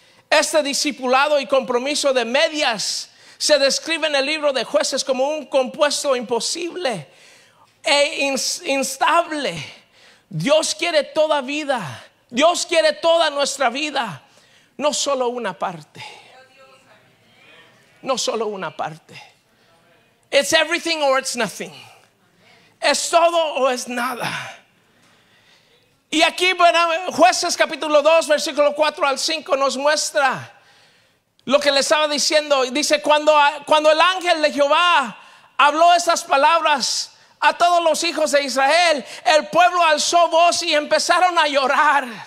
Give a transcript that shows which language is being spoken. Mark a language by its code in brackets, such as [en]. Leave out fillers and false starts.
[es] Este discipulado y compromiso de medias se describe en el libro de Jueces como un compuesto imposible e instable. Dios quiere toda vida, Dios quiere toda nuestra vida, no solo una parte. No solo una parte. [en] It's everything or it's nothing. [es] Es todo o es nada. Y aquí, bueno, Jueces capítulo 2, versículo 4 al 5 nos muestra lo que le estaba diciendo. Dice: cuando el ángel de Jehová habló estas palabras a todos los hijos de Israel, el pueblo alzó voz y empezaron a llorar.